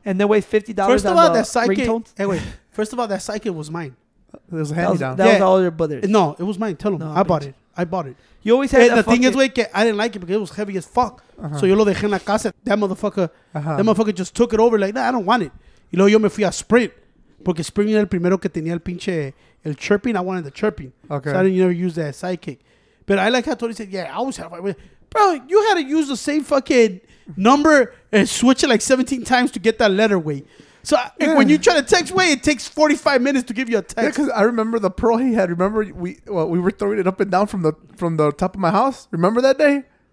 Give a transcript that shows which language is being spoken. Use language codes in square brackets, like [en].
[en] And then wait, $50 on the ringtones? Hey, wait. First of all, that Sidekick was mine. It was a hand-me-down. That was all your brother's. No, it was mine. Tell him. I bought it. You always had the thing is, wait, I didn't like it because it was heavy as fuck. Uh-huh. So [es] yo lo dejé en la casa. [en] That motherfucker just took it over like, nah, I don't want it. [es] Y luego yo me fui a Sprint. Porque Sprint era el primero que tenía el pinche, el chirping. [en] I wanted the chirping. Okay. So I didn't ever use that Sidekick. But I like how Tony said, yeah, I always had it. Bro, you had to use the same fucking number and switch it like 17 times to get that letter, wait. So when you try to text, wait, it takes 45 minutes to give you a text. Yeah, because I remember the Pearl he had. Remember, we were throwing it up and down from the top of my house. Remember that day?